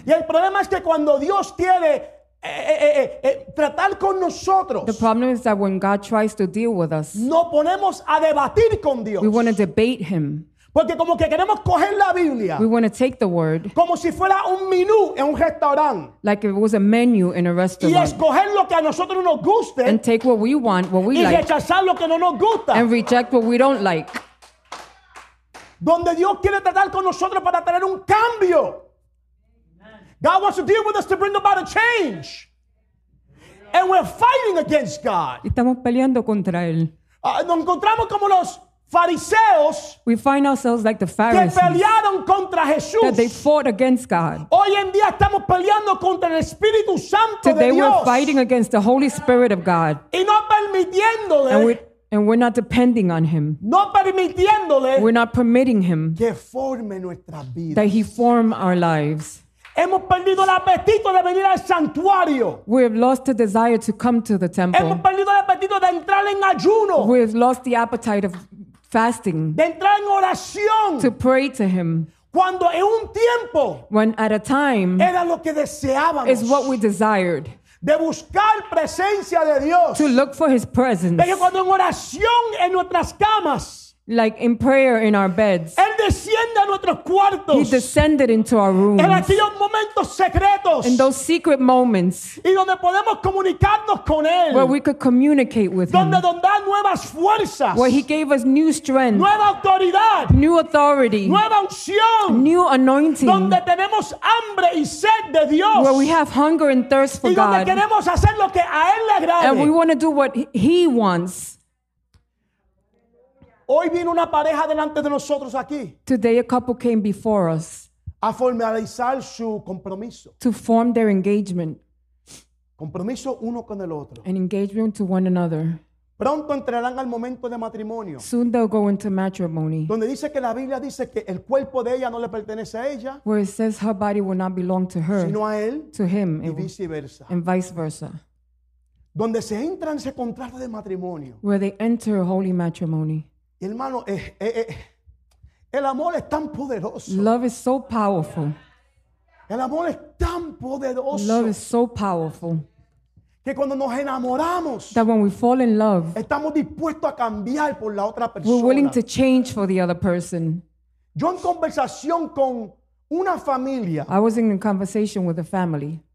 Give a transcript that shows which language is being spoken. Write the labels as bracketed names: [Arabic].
[Spanish] Y el problema es que cuando Dios quiere tratar con nosotros. [English] The problem is that when God tries to deal with us. [Spanish] No ponemos a debatir con Dios. [English] We want to debate him. [Spanish] Porque como que queremos coger la Biblia. [English] We want to take the word. [Spanish] Como si fuera un menú en un restaurante. [English] Like if it was a menu in a restaurant. [Spanish] Y escoger lo que a nosotros nos guste. [English] And take what we want, what we [Spanish] y [English] like. [Spanish] Y rechazar lo que no nos gusta. [English] And reject what we don't like. [Spanish] Donde Dios quiere tratar con nosotros para tener un cambio. [English] God wants to deal with us to bring about a change. And we're fighting against God. [Spanish] Y estamos peleando contra él. Nos encontramos como los fariseos. [English] We find ourselves like the Pharisees. [Spanish] Que pelearon contra Jesús. [English] That they fought against God. [Spanish] Hoy en día estamos peleando contra el Espíritu Santo [English] today [Spanish] de Dios. [English] We're fighting against the Holy Spirit of God. [Spanish] Y no permitiéndole. [English] And we're not depending on him. [Spanish] No permitiéndole. [English] We're not permitting him. [Spanish] Que forme nuestras vidas. [English] That he form our lives. [Spanish] Hemos perdido el apetito de venir al santuario. [English] We have lost the desire to come to the temple. [Spanish] Hemos perdido el apetito de entrar en ayuno. [English] We have lost the appetite of fasting. [Spanish] De entrar en oración. [English] To pray to him. [Spanish] Cuando en un tiempo. [English] When at a time. [Spanish] Era lo que deseábamos. [English] Is what we desired. [Spanish] De buscar presencia de Dios. [English] To look for his presence. [Spanish] De que cuando en oración en nuestras camas. [English] Like in prayer in our beds. [Spanish] Él desciende a nuestros cuartos. [English] He descended into our rooms. [Spanish] En aquellos momentos secretos. [English] In those secret moments. [Spanish] Y donde podemos comunicarnos con él. [English] Where we could communicate with [Spanish] donde [English] him. [Spanish] Donde dan nuevas fuerzas. [English] Where he gave us new strength. [Spanish] Nueva autoridad. [English] New authority. [Spanish] Nueva unción. [English] New anointing. [Spanish] Donde tenemos hambre y sed de Dios. [English] Where we have hunger and thirst for [Spanish] y donde [English] God. [Spanish] Queremos hacer lo que a él le agrade. [English] And we want to do what he wants. [Spanish] Hoy vino una pareja delante de nosotros aquí. [English] Today a couple came before us. [Spanish] A formalizar su compromiso. [English] To form their engagement. [Spanish] Compromiso uno con el otro. [English] An engagement to one another. [Spanish] Pronto entrarán al momento de matrimonio. [English] Soon they'll go into matrimony. [Spanish] Donde dice que la Biblia dice que el cuerpo de ella no le pertenece a ella. [English] Where it says her body will not belong to her. [Spanish] Sino a él. [English] To him. [Spanish] Y viceversa. [English] And vice versa. [Spanish] Donde se entra en ese contrato de matrimonio. [English] Where they enter holy matrimony. [Spanish] Hermano, el amor es tan poderoso. [English] Love is so powerful. [Spanish] El amor es tan poderoso. [English] Love is so powerful. [Spanish] Que cuando nos enamoramos. [English] That when we fall in love. [Spanish] Estamos dispuestos a cambiar por la otra persona. [English] We're willing to change for the other person. [Spanish] Yo en conversación con una familia. [English] I was in a conversation with a family.